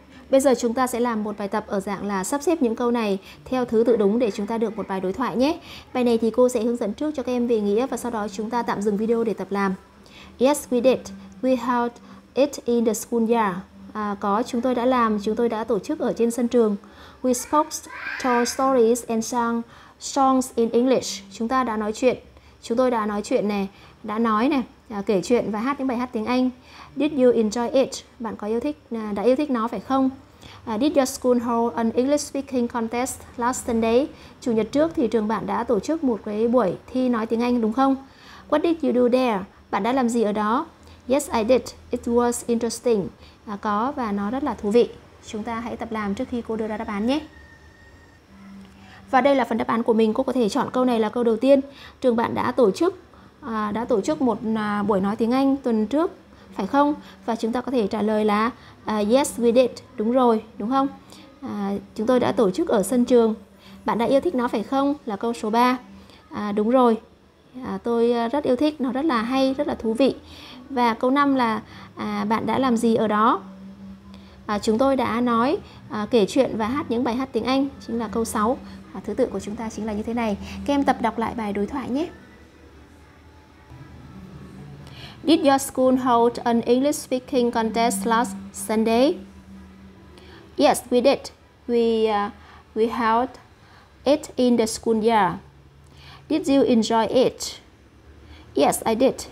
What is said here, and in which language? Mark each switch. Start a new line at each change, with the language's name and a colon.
Vietnamese: Bây giờ chúng ta sẽ làm một bài tập ở dạng là sắp xếp những câu này theo thứ tự đúng để chúng ta được một bài đối thoại nhé. Bài này thì cô sẽ hướng dẫn trước cho các em về nghĩa và sau đó chúng ta tạm dừng video để tập làm.
English: Yes, we did. We held it in the school yard.
Vietnamese: Có, chúng tôi đã làm, chúng tôi đã tổ chức ở trên sân trường.
English: We spoke, told stories and sang songs in English.
Vietnamese: Chúng ta đã nói chuyện. Chúng tôi đã nói chuyện này. Đã nói nè, kể chuyện và hát những bài hát tiếng Anh.
English: Did you enjoy it?
Vietnamese: Bạn có yêu thích, đã yêu thích nó phải không?
English: Did your school hold an English speaking contest last Sunday?
Vietnamese: Chủ nhật trước thì trường bạn đã tổ chức một cái buổi thi nói tiếng Anh đúng không?
English: What did you do there?
Vietnamese: Bạn đã làm gì ở đó?
English: Yes, I did. It was interesting.
Vietnamese: Có và nó rất là thú vị. Chúng ta hãy tập làm trước khi cô đưa ra đáp án nhé. Và đây là phần đáp án của mình. Cô có thể chọn câu này là câu đầu tiên. Trường bạn đã tổ chức một buổi nói tiếng Anh tuần trước, phải không? Và chúng ta có thể trả lời là
English: yes, we did.
Vietnamese: Đúng rồi, đúng không? Chúng tôi đã tổ chức ở sân trường. Bạn đã yêu thích nó phải không? Là câu số 3. Đúng rồi, tôi rất yêu thích. Nó rất là hay, rất là thú vị. Và câu 5 là bạn đã làm gì ở đó? Chúng tôi đã nói, kể chuyện và hát những bài hát tiếng Anh. Chính là câu 6. Thứ tự của chúng ta chính là như thế này. Các em tập đọc lại bài đối thoại nhé.
English: Did your school hold an English speaking contest last Sunday? Yes, we did. We held it in the school year. Did you enjoy it? Yes, I did.